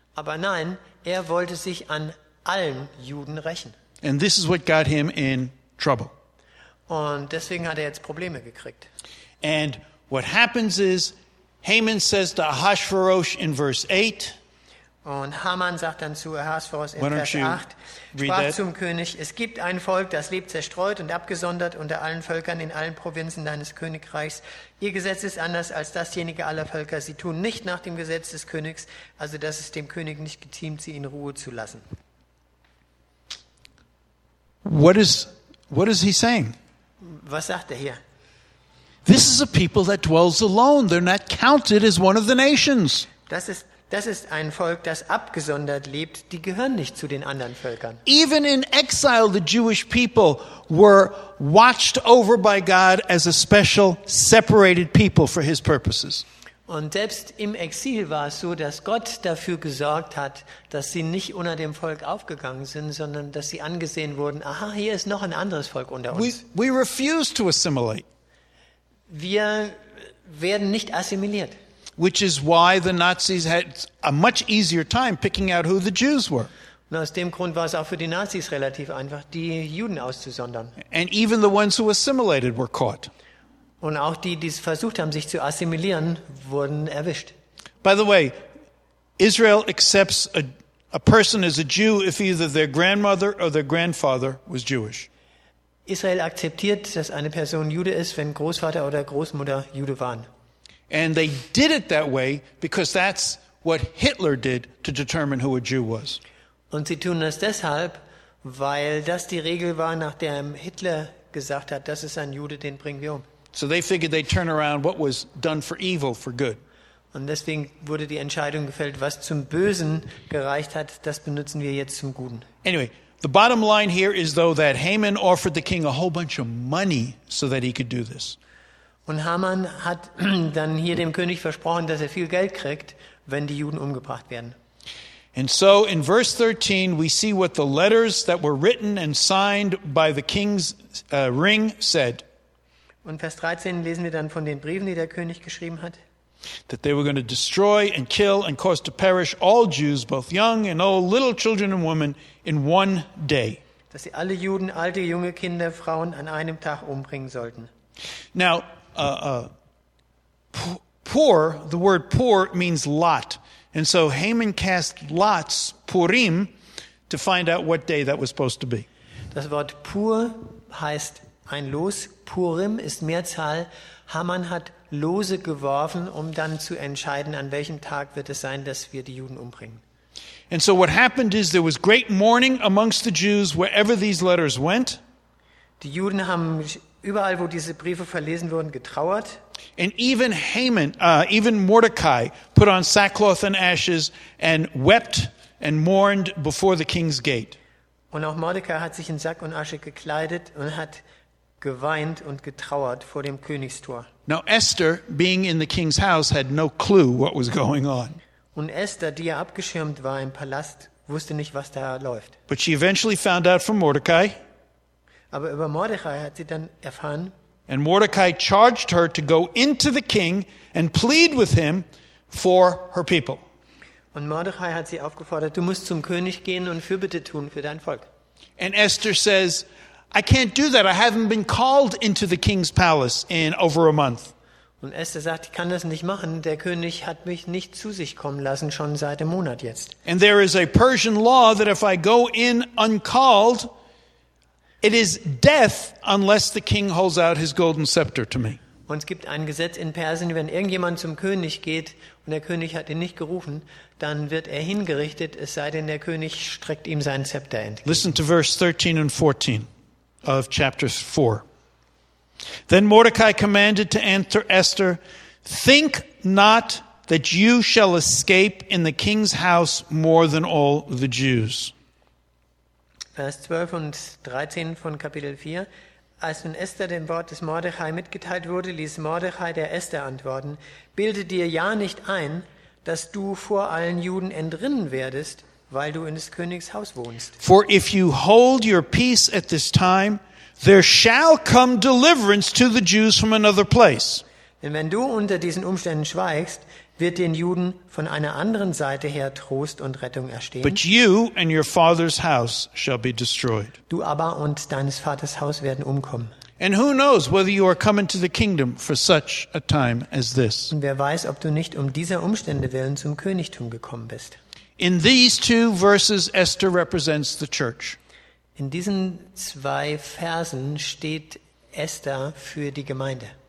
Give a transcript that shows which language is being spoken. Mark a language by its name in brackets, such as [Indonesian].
[German] Aber nein, er wollte sich an allen Juden rächen. [English] And this is what got him in trouble. [German] Und deswegen hat er jetzt Probleme gekriegt. [English] And what happens is, Haman says to Ahasuerus in verse 8. [German] Und Haman sagt dann zu Ahasuerus in Vers 8, sprach zum König, es gibt ein Volk, das lebt zerstreut und abgesondert unter allen Völkern in allen Provinzen deines Königreichs. Ihr Gesetz ist anders als dasjenige aller Völker. Sie tun nicht nach dem Gesetz des Königs, also dass es dem König nicht geziemt, sie in Ruhe zu lassen. [English] What is he saying? [German] Was sagt er hier? [English] This is a people that dwells alone. They're not counted as one of the nations. [German] Das ist ein Volk, das abgesondert lebt. Die gehören nicht zu den anderen Völkern. [English] Even in exile, the Jewish people were watched over by God as a special, separated people for His purposes. [German] Und selbst im Exil war es so, dass Gott dafür gesorgt hat, dass sie nicht unter dem Volk aufgegangen sind, sondern dass sie angesehen wurden. Aha, hier ist noch ein anderes Volk unter uns. [English] We refuse to assimilate. [German] Wir werden nicht assimiliert. [English] Which is why the Nazis had a much easier time picking out who the Jews were. [German] Und aus dem Grund war es auch für die Nazis relativ einfach, die Juden auszusondern. [English] And even the ones who assimilated were caught. [German] Und auch die, die es versucht haben, sich zu assimilieren, wurden erwischt. [English] By the way, Israel accepts a person as a Jew if either their grandmother or their grandfather was Jewish. [German] Israel akzeptiert, dass eine Person Jude ist, wenn Großvater oder Großmutter Jude waren. [English] And they did it that way because that's what Hitler did to determine who a Jew was. [German] Und sie tun das deshalb, weil das die Regel war, nach der Hitler gesagt hat, das ist ein Jude, den bringen wir um. [English] So they figured they'd turn around what was done for evil for good. [German] Und deswegen wurde die Entscheidung gefällt, was zum Bösen gereicht hat, das benutzen wir jetzt zum Guten. [English] Anyway, the bottom line here is though that Haman offered the king a whole bunch of money so that he could do this. [German] Und Haman hat dann hier dem König versprochen, dass er viel Geld kriegt, wenn die Juden umgebracht werden. [English] And so in verse 13 we see what the letters that were written and signed by the king's ring said. [German] Und Vers 13 lesen wir dann von den Briefen, die der König geschrieben hat. [English] That they were going to destroy and kill and cause to perish all Jews, both young and old, little children and women, in one day. [German] Dass sie alle Juden, alte, junge Kinder, Frauen an einem Tag umbringen sollten. [English] Now, poor, the word poor means lot. And so Haman cast lots, Purim, to find out what day that was supposed to be. [German] Das Wort pur heißt ein Los. Purim ist Mehrzahl. Haman hat Lose geworfen, um dann zu entscheiden, an welchem Tag wird es sein, dass wir die Juden umbringen. [English] And so what happened is there was great mourning amongst the Jews wherever these letters went. [German] Die Juden haben überall, wo diese Briefe verlesen wurden, getrauert. [English] And even Haman, even Mordecai put on sackcloth and ashes and wept and mourned before the king's gate. [German] Und auch Mordecai hat sich in Sack und Asche gekleidet und hat geweint und getrauert vor dem Königstor. [English] Now Esther, being in the king's house, had no clue what was going on. [German] Und Esther, die ja abgeschirmt war im Palast, wusste nicht, was da läuft. [English] But she eventually found out from Mordecai. [German] Aber über Mordecai hat sie dann erfahren. [English] And Mordecai charged her to go into the king and plead with him for her people. [German] Und Mordecai hat sie aufgefordert, du musst zum König gehen und Fürbitte tun für dein Volk. [English] And Esther says, I can't do that. I haven't been called into the king's palace in over a month. [German] Und Esther sagt, ich kann das nicht machen. Der König hat mich nicht zu sich kommen lassen, schon seit einem Monat jetzt. [English] And there is a Persian law that if I go in uncalled, it is death unless the king holds out his golden scepter to me. [German] Und es gibt ein Gesetz in Persien, wenn irgendjemand zum König geht und der König hat ihn nicht gerufen, dann wird er hingerichtet, es sei denn, der König streckt ihm seinen Scepter entgegen. [English] Listen to verse 13 and 14 of chapter 4. Then Mordecai commanded to answer Esther, think not that you shall escape in the king's house more than all the Jews. [German] Vers 12 und 13 von Kapitel 4. Als nun Esther dem Wort des Mordechai mitgeteilt wurde, ließ Mordechai der Esther antworten, bilde dir ja nicht ein, dass du vor allen Juden entrinnen werdest, weil du in des Königs Haus wohnst. [English] For if you hold your peace at this time, there shall come deliverance to the Jews from another place. [German] Denn wenn du unter diesen Umständen schweigst, wird den Juden von einer anderen Seite her Trost und Rettung erstehen. [English] But you and your father's house shall be destroyed. [German] Du aber und deines Vaters Haus werden umkommen. [English] And who knows whether you are coming to the kingdom for such a time as this? [German] Und wer weiß, ob du nicht um dieser Umstände willen zum Königtum gekommen bist? [English] In these two verses, Esther represents the church. [German] In diesen zwei Versen steht Esther für die Gemeinde.